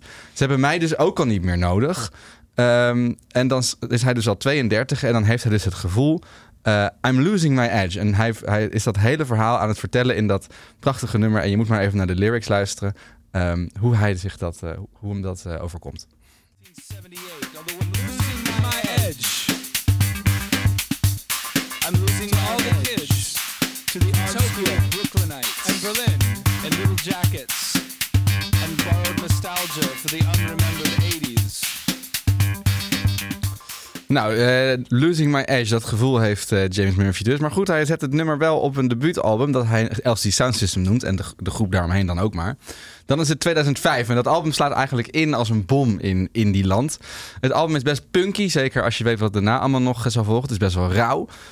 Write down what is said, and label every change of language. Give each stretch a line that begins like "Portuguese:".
Dutch: Ze hebben mij dus ook al niet meer nodig. En dan is hij dus al 32 en dan heeft hij dus het gevoel,
English: I'm losing my edge.
Dutch: En hij is dat hele verhaal aan het vertellen in dat prachtige nummer. En je moet maar even naar de lyrics luisteren. Hoe hij zich dat, hoe hem dat overkomt.
English: I'm losing all the kids to the art school, Brooklynites, and Berlin, and little jackets, and nostalgia for the unremembered 80s.
Dutch: Nou, Losing My Edge, dat gevoel heeft James Murphy dus. Maar goed, hij zet het nummer wel op een debuutalbum dat hij LCD Sound System noemt. En de groep daaromheen dan ook maar. Dan is het 2005 en dat album slaat eigenlijk in als een bom in Indieland. Het album is best punky, zeker als je weet wat daarna allemaal nog zal volgen. Het is best wel rauw.